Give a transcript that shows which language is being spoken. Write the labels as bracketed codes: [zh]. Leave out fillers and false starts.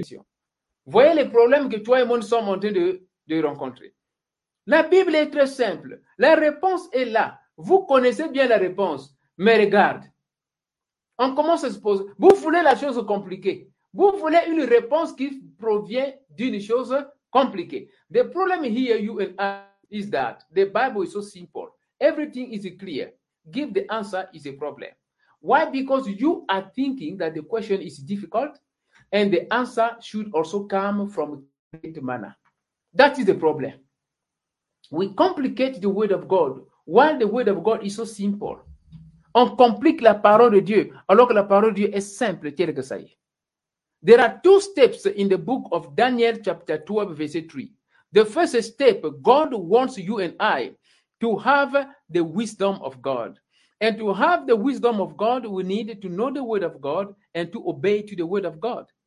[fr] Vous voyez les problèmes que toi et moi nous sommes en train de rencontrer. La Bible est très simple. La réponse est là. Vous connaissez bien la réponse. Mais regarde, on commence à se poser. Vous voulez la chose compliquée. Vous voulez une réponse qui provient d'une chose compliquée. [en] The problem here you and I is that the Bible is so simple. Everything is clear. Give the answer is a problem. Why? Because you are thinking that the question is difficult and the answer should also come from a great manner. That is the problem. We complicate the word of God while the word of God is so simple. [fr] On complique la parole de Dieu alors que la parole de Dieu est simple telle que ça y est. [en] There are two steps in the book of Daniel chapter 12 verse 3. The first step, God wants you and I to have the wisdom of God. And to have the wisdom of God, we need to know the word of God and to obey to the word of God.